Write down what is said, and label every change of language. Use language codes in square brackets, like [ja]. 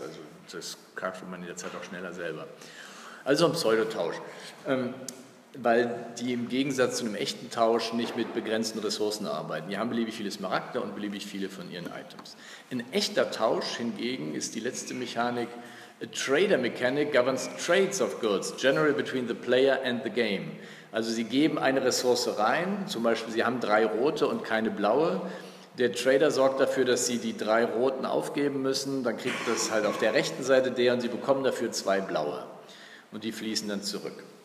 [de] Also das kauft man in der Zeit auch schneller selber. Also ein Pseudotausch, weil die im Gegensatz zu einem echten Tausch nicht mit begrenzten Ressourcen arbeiten. Die haben beliebig viele Smaragde und beliebig viele von ihren Items. Ein echter Tausch hingegen ist die letzte Mechanik. [en] A Trader Mechanic governs trades of goods, generally between the player and the game. [de] Also sie geben eine Ressource rein, zum Beispiel sie haben drei rote und keine blaue. Der Trader sorgt dafür, dass sie die drei roten aufgeben müssen, dann kriegt das halt auf der rechten Seite der und sie bekommen dafür zwei blaue und die fließen dann zurück.